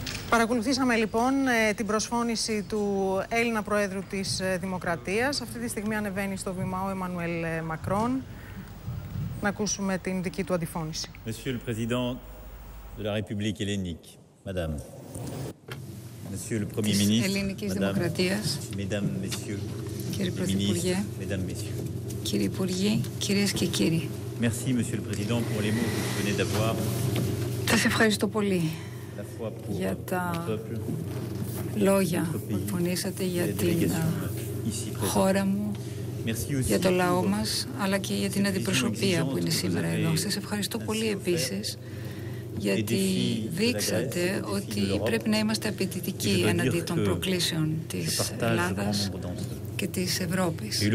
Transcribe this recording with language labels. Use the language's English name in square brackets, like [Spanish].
[Greek] Παρακολουθήσαμε λοιπόν την προσφώνηση του Έλληνα Προέδρου της Δημοκρατίας. Αυτή τη στιγμή ανεβαίνει στο βήμα ο Εμμανουέλ Μακρόν. Να ακούσουμε την δική του αντιφώνηση. [French] Monsieur le Président de la République Hellénique, Madame. Monsieur le Premier Ministre, [Greek] Ελληνικής Δημοκρατίας. [French] Mesdames, Messieurs, [Greek] Κύριε Πρωθυπουργέ. [French] Mesdames, Messieurs. [Greek] Κύριε Υπουργέ, κυρίες και κύριοι. [French] Merci, Monsieur le Président, pour les mots que vous venez d'avoir. [Greek] Σας ευχαριστώ πολύ για τα λόγια που εκφωνήσατε για την χώρα μου, για το λαό μας, αλλά και για την αντιπροσωπεία που είναι σήμερα εδώ. Σας ευχαριστώ πολύ επίσης, γιατί δείξατε ότι πρέπει να είμαστε απαιτητικοί εναντί των προκλήσεων της Ελλάδας και της Ευρώπης.